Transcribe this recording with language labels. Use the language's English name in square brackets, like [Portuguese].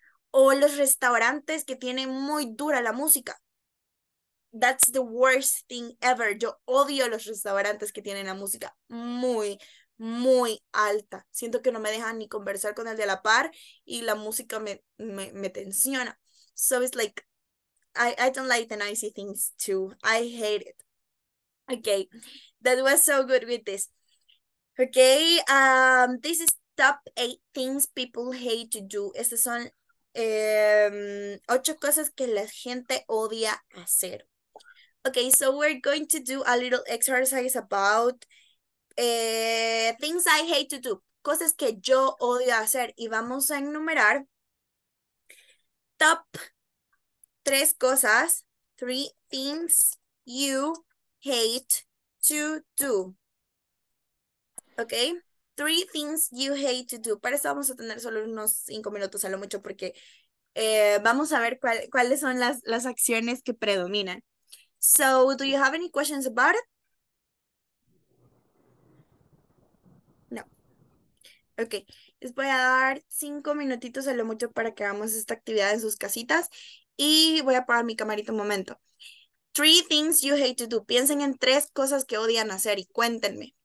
[Spanish] O los restaurantes que tienen muy dura la música. That's the worst thing ever. Yo odio los restaurantes que tienen la música muy, muy alta. Siento que no me dejan ni conversar con el de la par y la música me tensiona. [English] So it's like, I don't like the noisy things too. I hate it. Okay, that was so good with this. Okay, this is top 8 things people hate to do. [Spanish] Estas son 8 cosas que la gente odia hacer. [English] Okay, so we're going to do a little exercise about things I hate to do. [Spanish] Cosas que yo odio hacer. Y vamos a enumerar top 3 cosas, 3 things you hate to do. [English] Okay, 3 things you hate to do. [Spanish] Para eso vamos a tener solo unos 5 minutos a lo mucho porque vamos a ver cuáles son las acciones que predominan. [English] So, do you have any questions about it? No. [Spanish] Okay, les voy a dar 5 minutitos a lo mucho para que hagamos esta actividad en sus casitas y voy a apagar mi camarita un momento. 3 things you hate to do. Piensen en 3 cosas que odian hacer y cuéntenme.